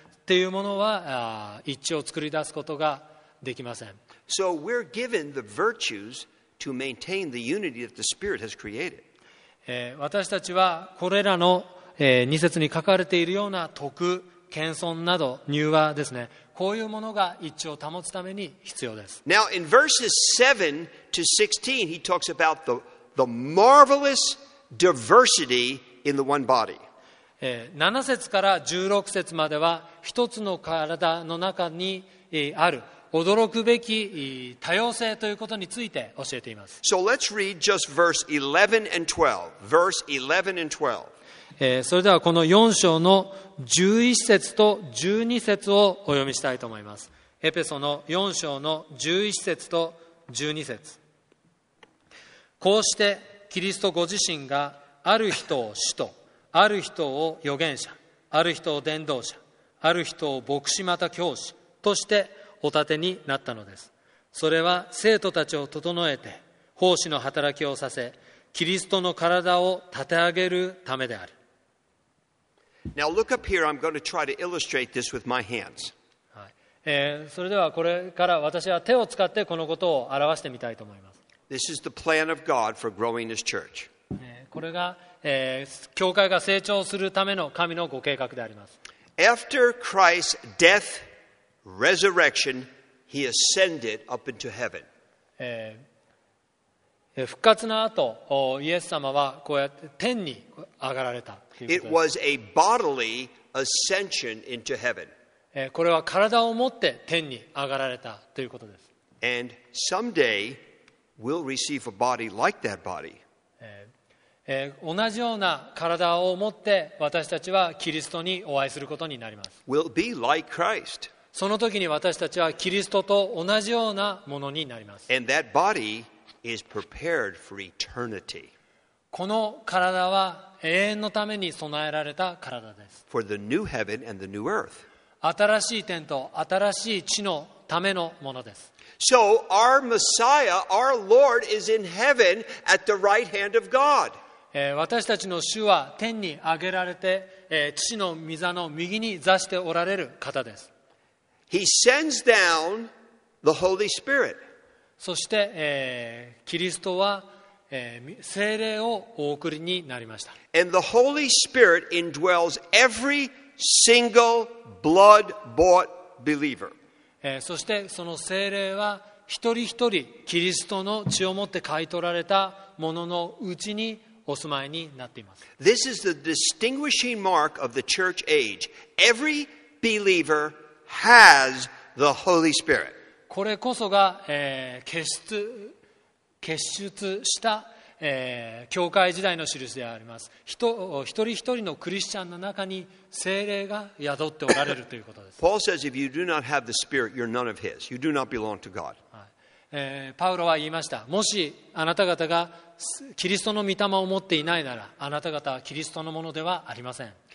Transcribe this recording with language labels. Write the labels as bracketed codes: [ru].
[ja] っていうものは、一致を作り出すことができません。 [en] So we're given the virtuesTo maintain the unity that the Spirit has created. [ja] 私たちはこれらの、2節に書かれているような徳、謙遜など、柔和ですね。こういうものが一致を保つために必要です。 [en] Now, in verses 7 to 16, he talks about the marvelous diversity in the one body. [ja] 7節から16節までは、一つの体の中に、ある。驚くべき多様性ということについて教えています。 [en] So let's read just verse 11 and 12. Verse 11 and 12. [ja] それではこの4章の11節と12節をお読みしたいと思います。エペソの4章の11節と12節。こうしてキリストご自身がある人を使徒、ある人を預言者、ある人を伝道者、ある人を牧師また教師としてお立てになったのです。それは生徒たちを整えて奉仕の働きをさせキリストの体を立て上げるためである。 [en] Now look up here. I'm going to try to illustrate this with my hands. [ja] それではこれから私は手を使ってこのことを表してみたいと思います。 [en] This is the plan of God for growing His church. [ja] これが、教会が成長するための神のご計画であります。 [en] After Christ's deathResurrection, he ascended up into heaven. [ja] 復活の後、イエス様はこうやって天に上がられたということです。 [en] It was a bodily ascension into heaven. [ja] これは体を持って天に上がられたということです。 [en] And someday, we'll receive a body like that body. [ja] 同じような体を持って私たちはキリストにお会いすることになります。 [en] We'll be like Christ. [ja] その時に私たちはキリストと同じようなものになります。 [en] And that body is prepared for eternity. [ja] この体は永遠のために備えられた体です。 [en] For the new heaven and the new earth. [ja] 新しい天と新しい地のためのものです。 [en] So our Messiah, our Lord, is in heaven at the right hand of God. [ja] 私たちの主は天に上げられて、父の御座の右に座しておられる方です。 [en] He sends down The Holy Spirit. [ja] そして、キリストは、聖霊をお送りになりました。 [en] And the Holy Spirit indwells every single blood-bought believer. [ja] そしてその聖霊は一人一人キリストの血をもって買い取られたもののうちにお住まいになっています。 [en] This is the distinguishing mark of the church age. Every believer has the Holy Spirit. [ja] これこそが、結出した、教会時代の印であります。一人一人のクリスチャンの中に聖霊が宿っておられるということです。 [en] Paul says, if you do not have the Spirit, you're none of His. You do not belong to God. [ja] パウロは言いました。もしあなた方がキリストの御霊を持っていないなら、あなた方はキリストのものではありません。